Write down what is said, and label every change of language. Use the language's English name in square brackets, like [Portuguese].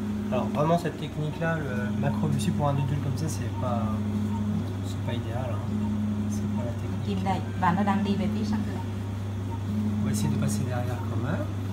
[French] Alors vraiment cette technique là, le macrobusier pour un adulte comme ça, c'est pas idéal. Hein. C'est pas la technique. [Vietnamese] Kim đây, và nó đang đi về phía sau cửa. [French] On va essayer de passer derrière quand même.